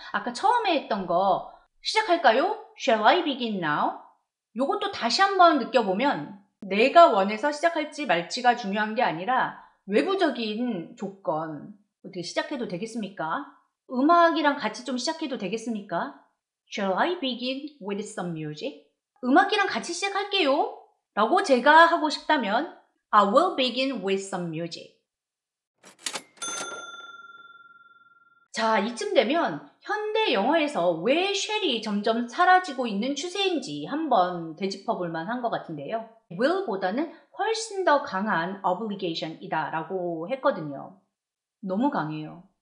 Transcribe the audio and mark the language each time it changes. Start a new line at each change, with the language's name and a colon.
Korean: 아까 처음에 했던 거 시작할까요?
English: Shall I begin now?
Korean: 이것도 다시 한번 느껴보면 내가 원해서 시작할지 말지가 중요한 게 아니라 외부적인 조건, 어떻게 시작해도 되겠습니까? 음악이랑 같이 좀 시작해도 되겠습니까?
English: Shall I begin with some music?
Korean: 음악이랑 같이 시작할게요. 라고 제가 하고 싶다면
English: I will begin with some music.
Korean: 자, 이쯤 되면 현대 영어에서 왜 shall이 점점 사라지고 있는 추세인지 한번 되짚어 볼 만한 것 같은데요. will보다는 훨씬 더 강한 obligation이다 라고 했거든요. 너무 강해요.